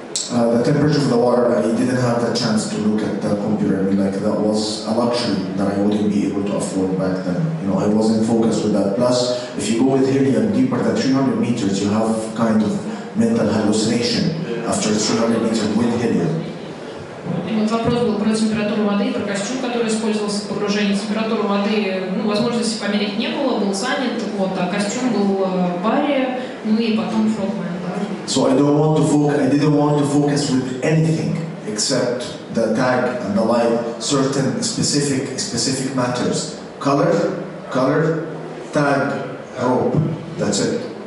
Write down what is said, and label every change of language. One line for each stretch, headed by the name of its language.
English: The temperature of the water, I didn't have the chance to look at the computer. I mean, like, that was a luxury that I wouldn't be able to afford back then. You know, I wasn't focused with that. Plus, if you go with helium deeper than 300 meters, you have kind of mental hallucination after 300 meters with helium.
Russian: Вот вопрос был про температуру воды, про костюм, который использовался в погружении. Температуру воды, ну, возможности померить не было, был занят, вот, а костюм был в баре, ну и потом фрогмен.
English: So I didn't want to focus with anything except the tag and the light, certain specific matters. Color, tag, rope. That's it.